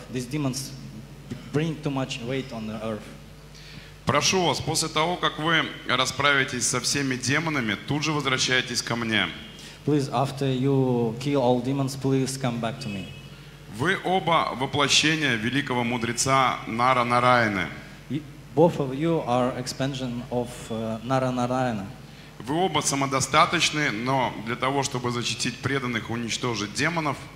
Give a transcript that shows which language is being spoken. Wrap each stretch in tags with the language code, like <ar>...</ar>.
<en>These demons bring too much weight on the earth.</en> <ru>Прошу вас, после того, как вы расправитесь со всеми демонами, тут же возвращайтесь ко мне.</ru> <en>Please, after you kill all demons, please come back to me.</en> <ru>Вы оба воплощения великого мудреца Нара Нараяны.</ru> <en>Both of you are expansion of Nara Narayana.</en> <ru>Вы оба самодостаточны, но для того, чтобы защитить преданных, уничтожить демонов.</ru>